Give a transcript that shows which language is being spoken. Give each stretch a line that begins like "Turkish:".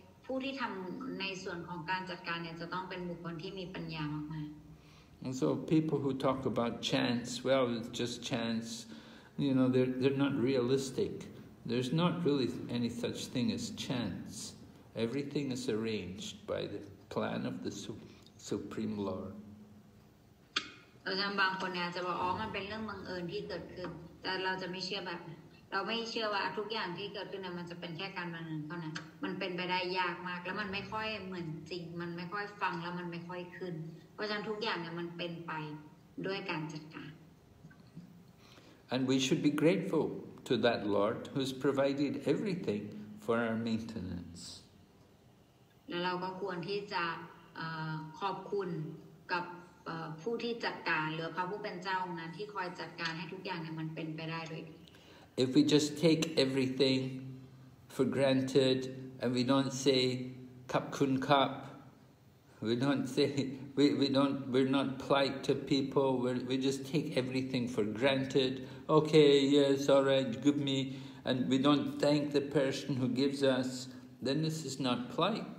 Thai: ผู้ที่ทำในส่วนของการจัดการเนี่ยจะต้องเป็นบุคคลที่มีปัญญามาก
English: ๆ And so people who talk about chance, well, it's just chance. You know, they're not realistic. There's not really any such thing as chance. Everything is arranged by the plan of the Supreme Lord.
Thai: เราจะบางคนเนี่ยจะบอกอ๋อมันเป็นเรื่องบังเอิญที่เกิดขึ้นแต่เราจะไม่เชื่อแบบเราไม่เชื่อว่าทุกอย่างที่เกิดขึ้นมันจะเป็นแค่การบังเอิญเท่านั้นมันเป็นไปได้ยากมากแล้วมันไม่ค่อยเหมือนจริงมันไม่ค่อยฟังแล้วมันไม่ค่อยขึ้นเพราะฉะนั้นทุกอย่างเนี่ยมันเป็นไปด้วยการจัดการ
English: And we should be grateful to that Lord who's provided everything for our maintenance
Thai: แล้วเราก็ควรที่จะขอบคุณกับผู้ที่จัดการหรือพระผู้เป็นเจ้าองค์นั้นที่คอยจัดการให้ทุกอย่างเนี่ยมันเป็นไปได้ด้วย
English: If we just take everything for granted and we don't say
Thai: kap kun kap,
English: we're not polite to people, we just take everything for granted. Okay, yes, all right, give me, and we don't thank the person who gives us, then this is not polite.